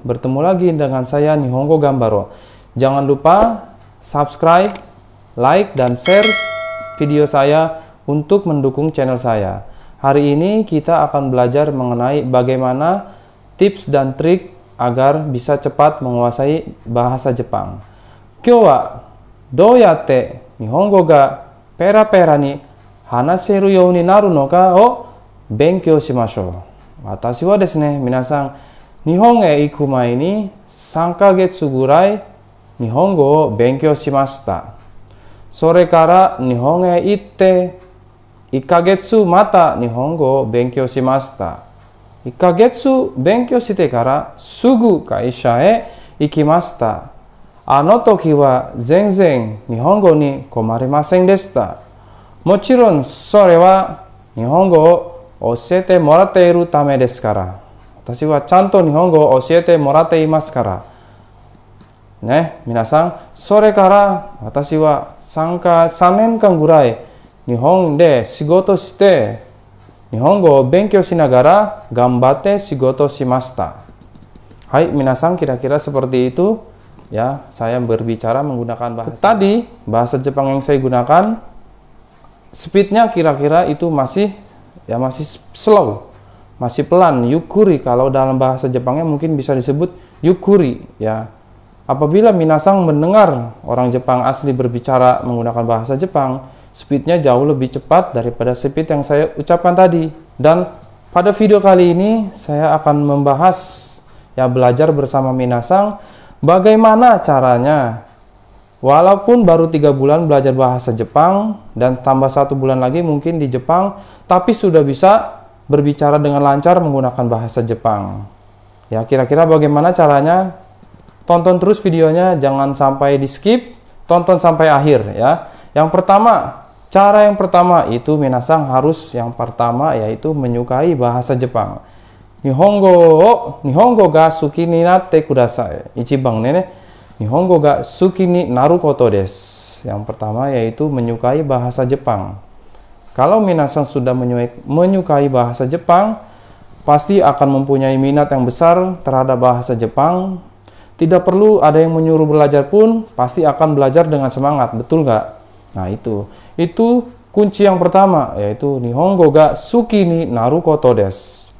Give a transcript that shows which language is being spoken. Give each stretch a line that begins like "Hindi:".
Indonesian: Bertemu lagi dengan saya Nihongo Gambaro. Jangan lupa subscribe, like, dan share video saya untuk mendukung channel saya. Hari ini kita akan belajar mengenai bagaimana tips dan trik agar bisa cepat menguasai bahasa Jepang.
Japanese: 今日はどうやって日本語がペラペラに話せるようになるのかを勉強しましょう。私はですね、皆さん、日本へ行く前に3ヶ月ぐらい日本語を勉強しました。それから日本へ行って1ヶ月また日本語を勉強しました。 1ヶ月勉強してからすぐ会社へ行きました。あの時は全然日本語に困りませんでした。もちろんそれは日本語を教えてもらっているためですから。私はちゃんと日本語を教えてもらっていますから。ね、皆さん、それから私は3年間ぐらい日本で仕事して、日本語を勉強しながら頑張って仕事しました。はい、皆さん、キラキラ
Indonesian: seperti itu。 Ya, saya berbicara menggunakan bahasa. Tadi bahasa Jepang yang saya gunakan speednya kira-kira itu masih ya masih slow, masih pelan. Yukuri kalau dalam bahasa Jepangnya mungkin bisa disebut yukuri. Ya, apabila Minasang mendengar orang Jepang asli berbicara menggunakan bahasa Jepang, speednya jauh lebih cepat daripada speed yang saya ucapkan tadi. Dan pada video kali ini saya akan membahas ya belajar bersama Minasang. Bagaimana caranya? Walaupun baru 3 bulan belajar bahasa Jepang dan tambah 1 bulan lagi mungkin di Jepang, tapi sudah bisa berbicara dengan lancar menggunakan bahasa Jepang. Ya, kira-kira bagaimana caranya? Tonton terus videonya, jangan sampai di skip, tonton sampai akhir ya. Yang pertama, cara yang pertama itu Minasang harus yang pertama yaitu menyukai bahasa Jepang.
Japanese: 日本語が好きになってください。一番ね、日本語が好きになることです。
Indonesian: Yang pertama yaitu menyukai bahasa Jepang. Kalau Minasang sudah menyukai bahasa Jepang, pasti akan mempunyai minat yang besar terhadap bahasa Jepang. Tidak perlu ada yang menyuruh belajar pun, pasti akan belajar dengan semangat. Betul gak? Nah itu kunci yang pertama yaitu
Japanese: 日本語が好きになることです。